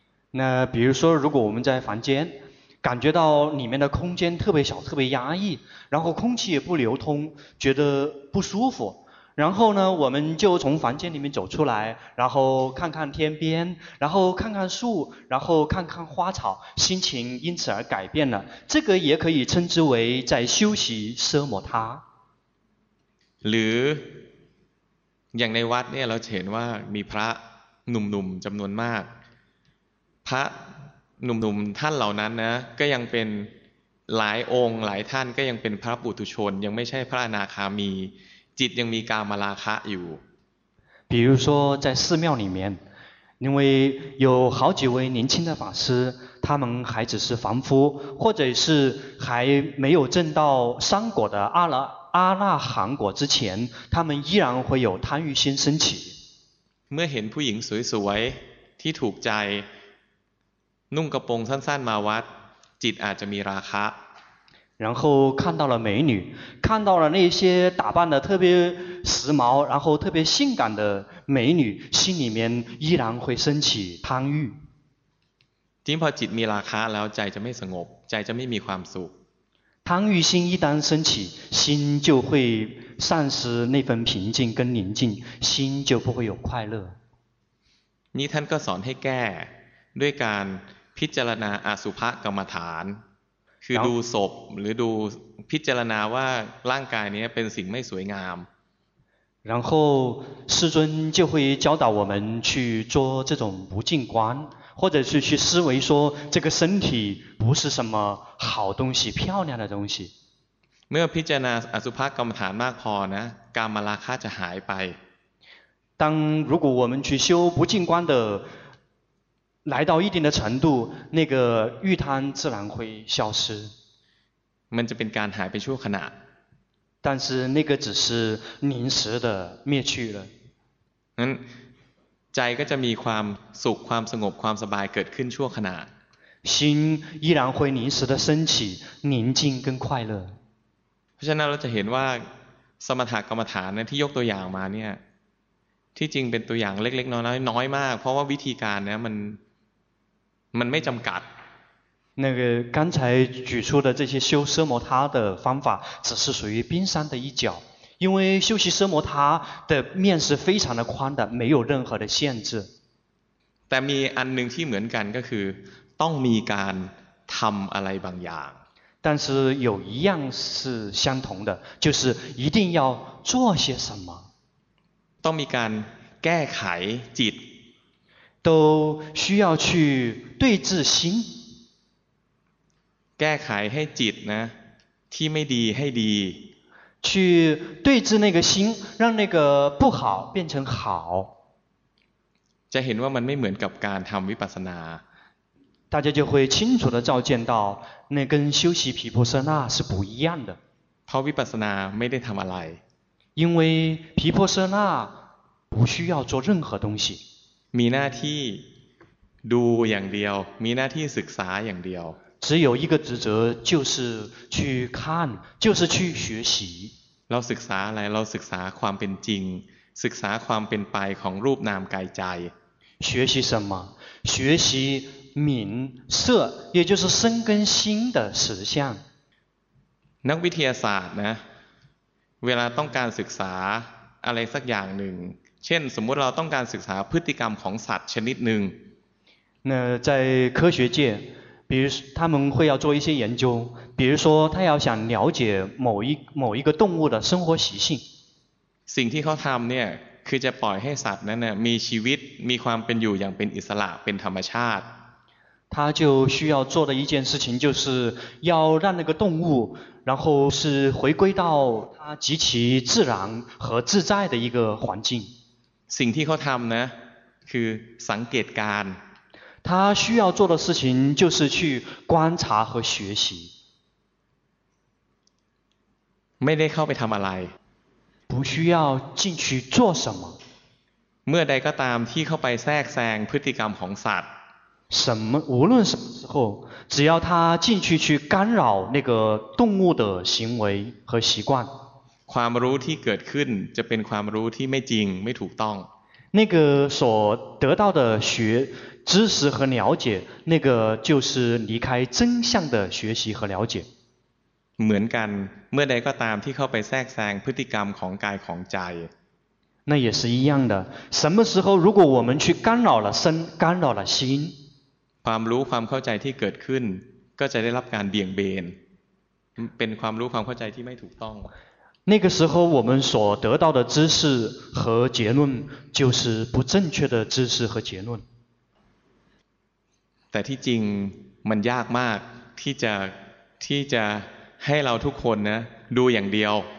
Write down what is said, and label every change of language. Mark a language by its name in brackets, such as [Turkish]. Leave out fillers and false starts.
[Chinese] 那比如说如果我们在房间感觉到里面的空间特别小特别压抑然后空气也不流通觉得不舒服然后呢我们就从房间里面走出来然后看看天边然后看看树然后看看花草心情因此而改变了这个也可以称之为在休息奢摩他 [Thai] หรืออย่างในวัดเนี่ยเราเห็นว่ามีพระหนุ่มๆจำนวนมากพระหนุ่มๆท่านเหล่านั้นนะก็ยังเป็นหลายองค์หลายท่านก็ยังเป็นพระปุถุชนยังไม่ใช่พระอนาคามีจิตยังมีกามราคะอยู่ [Chinese] 比如说在寺庙里面因为有好几位年轻的法师他们还只是凡夫或者是还没有证到三果的阿那含果之前他们依然会有贪欲心升起 [Thai] เมื่อเห็นผู้หญิงสวยๆที่ถูกใจนุ่งกระโปรงสั้นๆมาวัดจิตอาจจะมีราคะ [Chinese] 然后看到了美女看到了那些打扮的特别时髦然后特别性感的美女心里面依然会升起贪欲经过 [Thai] จิตมีราคะแล้วใจจะไม่สงบใจจะไม่มีความสุข [Chinese] 贪欲心一旦升起心就会丧失那份平静跟宁静心就不会有快乐 [Thai] นี่ท่านก็สอนให้แก้ด้วยการพิจารณาอสุภกรรมฐานคือดูศพหรือดูพิจารณาว่าร่างกายนี้เป็นสิ่งไม่สวยงาม [Chinese] 然后师尊就会教导我们去做这种不净观或者是去思维说这个身体不是什么好东西漂亮的东西 [Thai] เมื่อพิจารณาอสุภกรรมฐานมากพอนะกามราคะจะหายไป [Chinese] 当如果我们去修不净观的来到一定的程度那个欲贪自然会消失 [Thai] มันจะเป็นการหายไปชั่วขณะ [Chinese] 但是那个只是临时的灭去了 [Thai] งั้นใจก็จะมีความสุขความสงบความสบายเกิดขึ้นชั่วขณะ [Chinese] 心依然会临时的升起宁静跟快乐 [Thai] เพราะฉะนั้นเราจะเห็นว่าสมถกรรมฐานนั้นที่ยกตัวอย่างมาเนี่ยที่จริงเป็นตัวอย่างเล็กๆน้อยๆน้อยมากเพราะว่าวิธีการเนี่ยมันไม่จำกัด [Chinese] 那个刚才举出的这些修奢摩他的方法只是属于冰山的一角因为修习奢摩他的面是非常的宽的，没有任何的限制。但 [Thai] มีอันหนึ่งที่เหมือนกันก็คือต้องมีการทำอะไรบางอย่าง。 [Chinese] 但是有一样是相同的，就是一定要做些什么。 [Thai] ต้องมีการแก้ไขจิต。 [Chinese] 都需要去对治心。 [Thai] แก้ไขให้จิตนะที่ไม่ดีให้ดี。 [Chinese] 去对治那个心，让那个不好变成好。 [Thai] จะเห็นว่ามันไม่เหมือนกับการทำวิปัสสนา。 [Chinese] 大家就会清楚的照见到，那跟修习毗婆舍那是不一样的。 [Thai] เพราะวิปัสสนาไม่ได้ทำอะไร。 [Chinese] 因为毗婆舍那不需要做任何东西。 [Thai] มีหน้าที่ดูอย่างเดียว，มีหน้าที่ศึกษาอย่างเดียว。 [Chinese] 只有一个职责，就是去看，就是去学习。 [Thai] เราศึกษาอะไรเราศึกษาความเป็นจริงศึกษาความเป็นไปของรูปนามกายใจ [Chinese] 学习什么学习名色也就是身跟心的实相 [Thai] นักวิทยาศาสตร์นะเวลาต้องการศึกษาอะไรสักอย่างหนึ่งเช่นสมมติเราต้องการศึกษาพฤติกรรมของสัตว์ชนิดหนึ่ง [Chinese] 那在科学界比如他们会要做一些研究，比如说他要想了解某一个动物的生活习性。 [Thai] สิ่งที่เขาทำเนี่ยคือจะปล่อยให้สัตว์นั้นเนี่ยมีชีวิตมีความเป็นอยู่อย่างเป็นอิสระเป็นธรรมชาติ。 [Chinese] 他就需要做的一件事情就是要让那个动物，然后是回归到它极其自然和自在的一个环境。 [Thai] สิ่งที่เขาทำนะคือสังเกตการ。 [Chinese] 他需要做的事情就是去观察和学习。 [Thai] ไม่ได้เข้าไปทำอะไร。 [Chinese] 不需要进去做什么。 [Thai] เมื่อใดก็ตามที่เข้าไปแทรกแซงพฤติกรรมของสัตว์。 [Chinese] 什么无论什么时候，只要他进去去干扰那个动物的行为和习惯。 [Thai] ความรู้ที่เกิดขึ้นจะเป็นความรู้ที่ไม่จริงไม่ถูกต้อง。 [Chinese] 那个所得到的学知识和了解，那个就是离开真相的学习和了解。 [Thai] เหมือนกันเมื่อใดก็ตามที่เข้าไปแทรกแซงพฤติกรรมของกายของใจ [Chinese] 那也是一样的。什么时候如果我们去干扰了身，干扰了心， [Thai] ความรู้ความเข้าใจที่เกิดขึ้นก็จะได้รับการเบี่ยงเบนเป็นความรู้ความเข้าใจที่ไม่ถูกต้อง [Chinese] 那个时候我们所得到的知识和结论就是不正确的知识和结论。 [Thai] แต่ที่จริงมันยากมากที่จะให้เราทุกคนนะดูอย่างเดียว